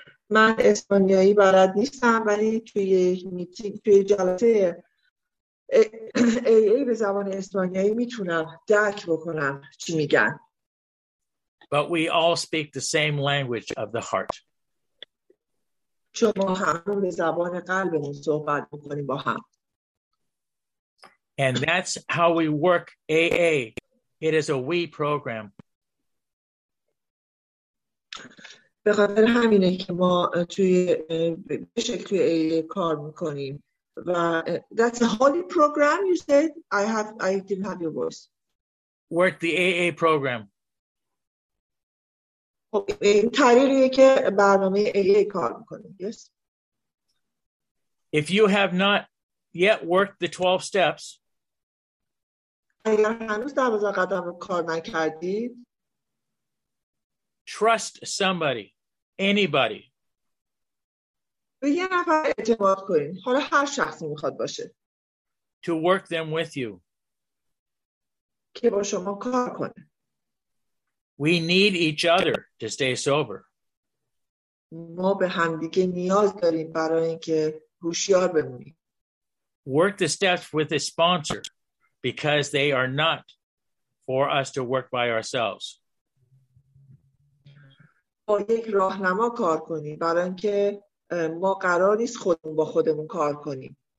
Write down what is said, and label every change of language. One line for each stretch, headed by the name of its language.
Persian: من اسپانیایی بلد نیستم ولی توی میتینگ توی جلسه ای به زبان اسپانیایی میتونم درک بکنم چی میگن.
English: But we all speak the same language of the heart.
Persian: چون ما همون به زبان قلبمون صحبت میکنیم با هم.
English: And that's how we work AA. It is a we program.
Persian: به خاطر همینه که ما توی به شکل توی AA کار میکنیم.
English: و that's a holy program you said. I didn't have your voice. Work the AA program.
Persian: این تعریفیه که برنامه AA کار میکنیم.
English: Yes. If you have not yet worked the 12 steps,
Persian: اگر هنوز 12 قدم رو کار نکردید,
English: trust somebody, anybody.
Persian: به یه نفر اعتماد کنید. حالا هر شخصی میخواد باشه.
English: To work them with you.
Persian: که با شما کار کنه.
English: We need each other to stay sober.
Persian: ما به همدیگه نیاز داریم برای اینکه هوشیار بمونیم.
English: Work the steps with a sponsor because they are not for us to work by ourselves.
Persian: با یک راهنما کار کنیم برای اینکه ما قرار نیست خودمون با خودمون کار کنیم.